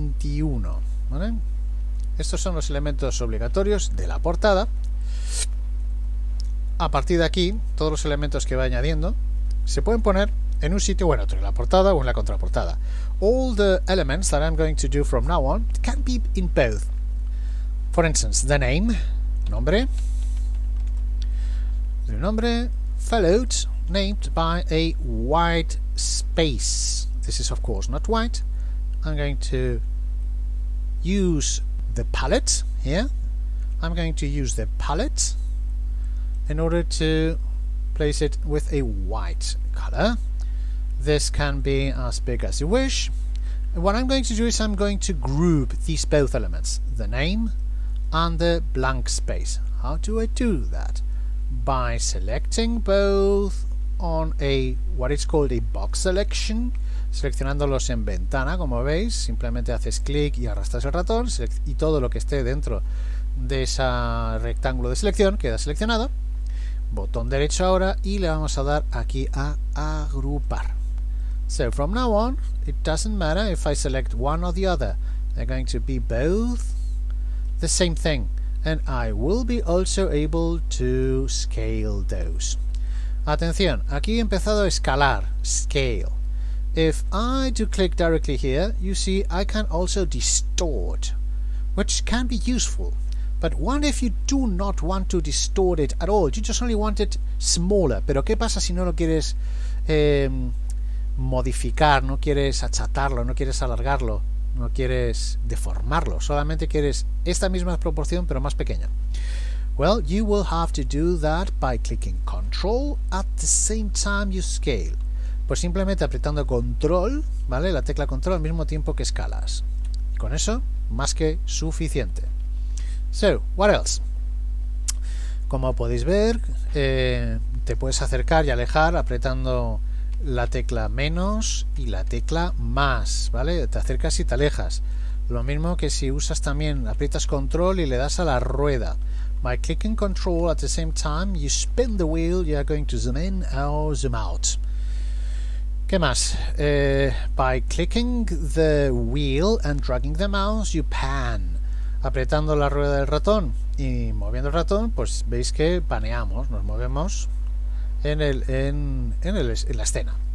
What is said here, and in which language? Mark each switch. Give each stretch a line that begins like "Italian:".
Spanish: 2020-2021. ¿Vale? Estos son los elementos obligatorios de la portada. A partir de aquí, todos los elementos que va añadiendo se pueden poner en un sitio o en otro, en la portada o en la contraportada.
English: All the elements that I'm going to do from now on can be in both. For instance, the name, nombre. The nombre, followed, named by a white space. This is of course not white. I'm going to use the palette here. I'm going to use the palette in order to place it with a white color. This can be as big as you wish. What I'm going to do is I'm going to group these both elements, the name and the blank space. How do I do that? By selecting both on a what is called a box selection,
Spanish: seleccionándolos en ventana, como veis, simplemente haces clic y arrastras el ratón y todo lo que esté dentro de ese rectángulo de selección queda seleccionado. Botón derecho ahora y le vamos a dar aquí a agrupar.
English: So from now on, it doesn't matter if I select one or the other. They're going to be both the same thing. And I will be also able to scale those.
Spanish: Atención, aquí he empezado a escalar,
English: scale. If I do click directly here, you see I can also distort, which can be useful. But what if you do not want to distort it at all? You just only want it smaller.
Spanish: Pero ¿qué pasa si no lo quieres modificar? No quieres achatarlo, no quieres alargarlo, no quieres deformarlo. Solamente quieres esta misma proporción, pero más pequeña.
English: Well, you will have to do that by clicking Control at the same time you scale.
Spanish: Pues simplemente apretando Control, ¿vale? La tecla Control al mismo tiempo que escalas. Y con eso, más que suficiente.
English: So, what else?
Spanish: Como podéis ver, te puedes acercar y alejar apretando la tecla menos y la tecla más, ¿vale? Te acercas y te alejas. Lo mismo que si usas también, aprietas control y le das a la rueda.
English: By clicking control at the same time, you spin the wheel, you are going to zoom in or zoom out.
Spanish: ¿Qué más?
English: By clicking the wheel and dragging the mouse, you pan.
Spanish: Apretando la rueda del ratón y moviendo el ratón, pues veis que paneamos, nos movemos en la escena.